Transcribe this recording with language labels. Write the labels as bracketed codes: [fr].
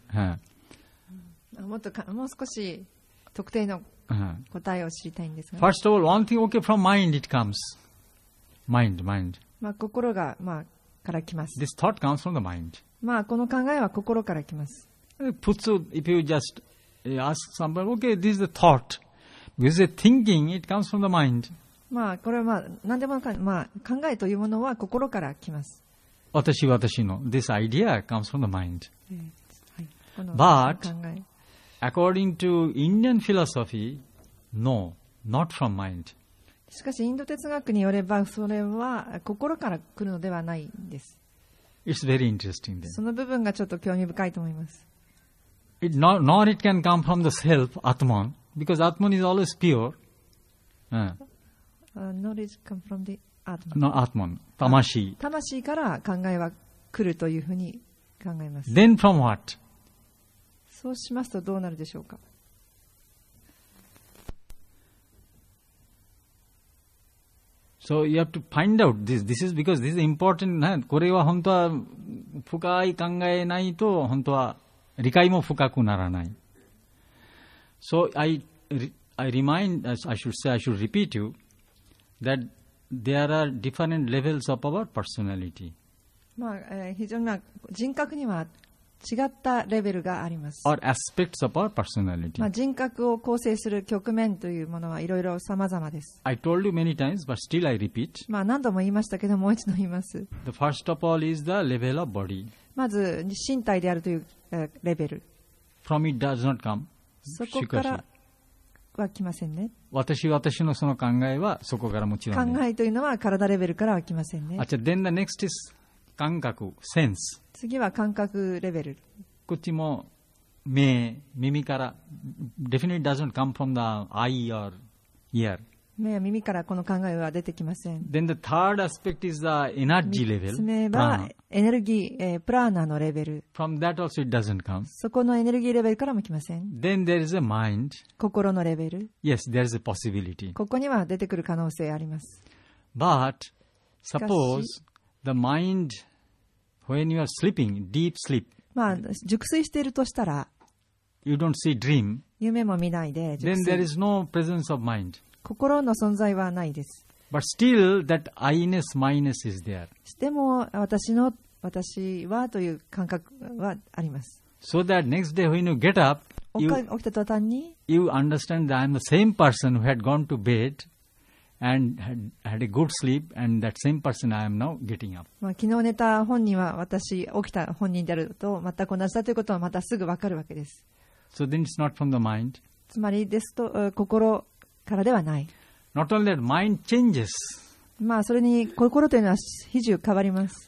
[ja] はい、もう少し特定の答えを知りたいんですが、 [en] ね、First of all, one thing OK from mind it comes. Mind、 [ja] まあ、心が、まあ、から来ます。 [en] This thought comes from the mind、 [ja] まあ、この考えは心から来ます。 [en] If you just ask somebody OK, this is the thoughtWith the thinking, it comes from the mind. [ja] まあこれはまあ何でもか、まあ、考えというものは心から来ます。私の [en] this idea comes from the mind.、 [ja] はい、この考え。 [en] But according to Indian philosophy, no, not from mind. [ja] しかしインド哲学によればそれは心から来るのではないんです。 [en] It's very interesting.、Then. [ja] その部分がちょっと興味深いと思います。 [en] Nor it can come from the self, Atman. Because Atman is always pure.、 Knowledge comes from the Atman. No, Atman. [ja] Tamashi. Tamashi から考えは来るというふうに考えます。 [en] Then from what? [ja] そうしますとどうなるでしょうか。 [en] So you have to find out this. This is because this is important. [ja] これは本当は深い考えないと本当は理解も深くならない。 [en] So I should repeat you that there are different levels of our personality. [ja] まあ、非常に人格には違ったレベルがあります。 [en] Or aspects of our personality. [ja] まあ、人格を構成する局面というものはいろいろ様々です。 [en] I told you many times, but still I repeat. [ja] まあ、何度も言いましたけど、もう一度言います。 [en] The first of all is the level of body. [ja] まず身体であるというレベル。 [en] From it does not come. [ja] そこからは来ませんね。私のその考えはそこからもちろん、ね、考えというのは体レベルからは来ませんね。あ、じゃあ [en] then the next is 感覚 sense。 [ja] 次は感覚レベル。こっちも目、耳から [en] definitely doesn't come from the eye or ear。 [ja] 目や耳からこの考えは出てきません。 [en] Then the third aspect is the energy level. 3 [ja] つ目はエネルギー、プラーナのレベル。 [en] From that also it doesn't come. [ja] そこのエネルギーレベルからも来ません。 [en] Then there is a mind. [ja] 心のレベル。 [en] Yes, there is a possibility. [ja] ここには出てくる可能性あります。 [en] But suppose the mind when you are sleeping, deep sleep. [ja] まあ熟睡しているとしたら、 [en] You don't see dream. [ja] 夢も見ないで熟睡。 [en] Then there is no presence of mind. [ja] 心の存在はないです。 [en] But still, that I-ness, my-ness is there. [ja] しても私の、私はという感覚はあります。 [en] So that next day when you get up, [ja] 起きた途端に、 [en] you understand that I'm the same person who had gone to bed and had a good sleep, and that same person I am now getting up. [ja] まあ、昨日寝た本人は私、起きた本人であると全く同じだということはまたすぐ分かるわけです。 [en] So then it's not from the mind. [ja] つまりですと、心からではない。 [en] Not only that, mind changes. [ja] まあそれに心というのは比重変わります。